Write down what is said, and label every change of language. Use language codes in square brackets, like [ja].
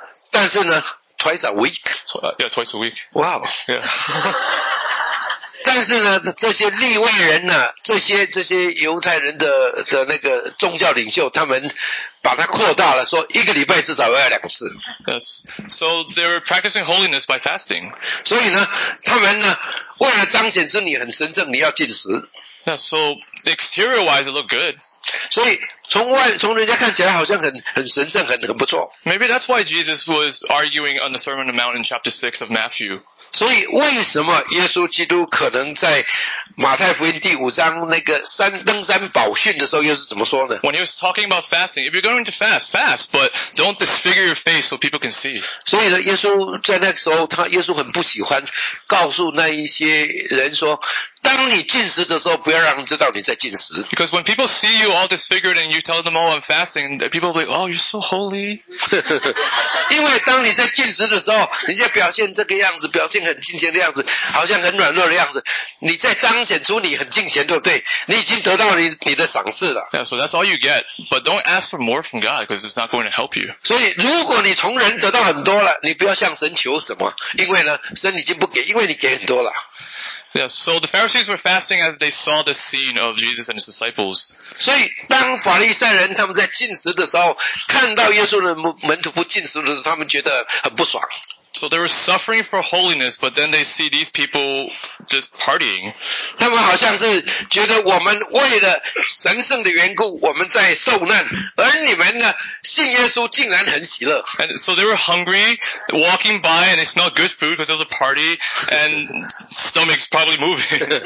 [zh] 但是呢 [en] ，twice a week. Yeah, twice a week. Wow. Yeah. [zh] 但是呢，这些利未人呢、啊，这些犹太人的那个宗教领袖，他们。把它扩大了，说一个礼拜至少要两次。 [en] Yes. So they were practicing holiness by fasting. [zh] 所以呢，他们呢，为了彰显出你很神圣，你要禁食。 [en] Yeah, so exterior wise it looked good. [zh] 所以从人家看起来好像很神圣，很不错。 [en] Maybe that's why Jesus was arguing on the Sermon on the Mount in chapter 6 of Matthew. [zh] 所以为什么耶稣基督可能在马太福音第五章那个登山宝训的时候又是怎么说呢？ [en] When he was talking about fasting, if you're going to fast, fast, but don't disfigure your face so people can see. [zh] 所以呢，耶稣在那个时候，耶稣很不喜欢告诉那一些人说，当你禁食的时候，不要让人知道你在禁食。 [en] Because when people see you all disfigured and you tell them, oh, I'm fasting, people will be like, oh, you're so holy. [zh] 因为当你在禁食的时候，人家表现这个样子，表现很敬虔的样子，好像很软弱的样子，你在彰显出你很敬虔，对不对？你已经得到你的赏赐了。 [en] Yeah, so that's all you get. But don't ask for more from God, because it's not going to help you. [zh] 所以，如果你从人得到很多了，你不要向神求什么，因为呢，神已经不给，因为你给很多了。 [en] Yeah, so the Pharisees were fasting as they saw the scene of Jesus and his disciples. [zh] 所以当法利赛人他们在禁食的时候，看到耶稣的门徒不禁食的时候，他们觉得很不爽。 [en] So they were suffering for holiness, but then they see these people just partying. [zh] 他们好像是觉得我们为了神圣的缘故，我们在受难，而你们呢，信耶稣竟然很喜乐。 [en] And so they were hungry, walking by, and they smelled good food because it was a party, and stomachs probably moving.